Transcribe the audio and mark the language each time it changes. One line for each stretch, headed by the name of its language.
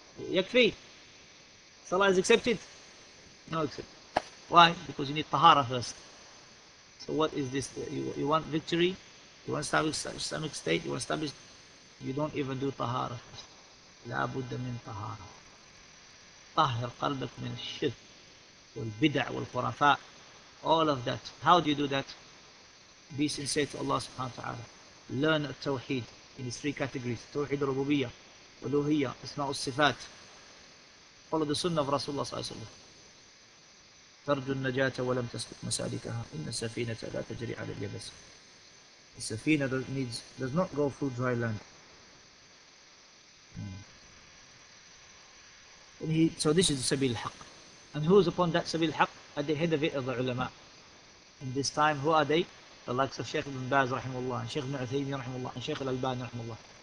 English: Yakfi, Salah is accepted? No accept. Why? Because you need Tahara first. So what is this? You want victory, you want to establish Islamic state, you want to establish, you don't even do Tahara first.
Arabic: لابد من طهارة. طهر قلبك من الشرك والبدع والخرافاء.
English: All of that. How do you do that? Be sincere to Allah subhanahu wa ta'ala. Learn التوحيد in these three categories.
Arabic: توحيد الربوبية والوهية أسماء الصفات.
English: Follow the sunnah of Rasulullah sallallahu alayhi wa sallam.
Arabic: ترجو النجاة ولم تسلك مسالكها إن السفينة لا تجري على اليبس.
English: The safina does not go through dry land. And so this is the sabil al-haq. And who is upon that sabil al-haq? At the head of it are the ulama. In this time, who are they? The likes of Shaykh ibn Baz rahimullah, and Shaykh ibn Uthaymeen rahimullah, and Shaykh al-Albani rahimullah.